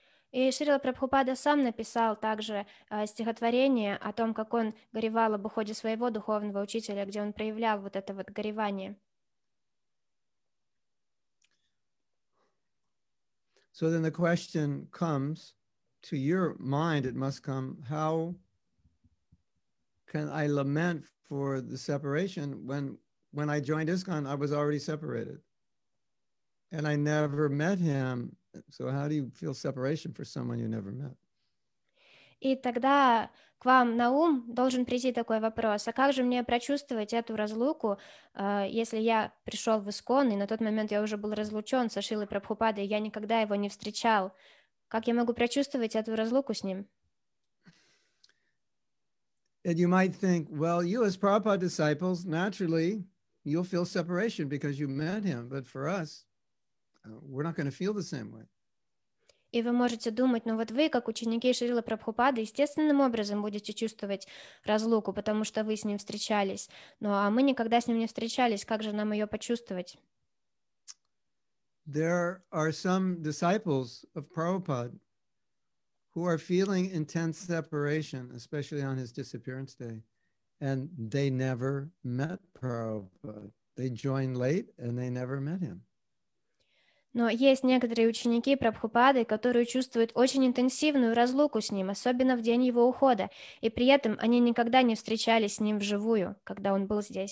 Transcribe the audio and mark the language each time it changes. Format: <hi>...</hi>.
<ru>И Шрила Прабхупада сам написал также стихотворение о том, как он горевал об уходе своего духовного учителя, где он проявлял вот это вот горевание.</ru> <en>So then the question comes to your mind, it must come, how can I lament for the separation when I joined ISKCON, I was already separated and I never met him. So how do you feel separation for someone you never met?</en> <ru>И тогда к вам на ум должен прийти такой вопрос, а как же мне прочувствовать эту разлуку, если я пришел в ИСКОН, и на тот момент я уже был разлучен со Шрилой Прабхупадой, я никогда его не встречал. Как я могу прочувствовать эту разлуку с ним?</ru> <en>And you might think, well, you as Prabhupada disciples, naturally, you'll feel separation because you met him, but for us, we're not going to feel the same way.</en> <ru>И вы можете думать, ну вот вы, как ученики Шрилы Прабхупады, естественным образом будете чувствовать разлуку, потому что вы с ним встречались. Ну а мы никогда с ним не встречались, как же нам ее почувствовать?</ru> <en>There are some disciples of Prabhupada who are feeling intense separation, especially on his disappearance day, and they never met Prabhupada. They joined late and they never met him.</en> <ru>Но есть некоторые ученики Прабхупады, которые чувствуют очень интенсивную разлуку с ним, особенно в день его ухода, и при этом они никогда не встречались с ним вживую, когда он был</ru>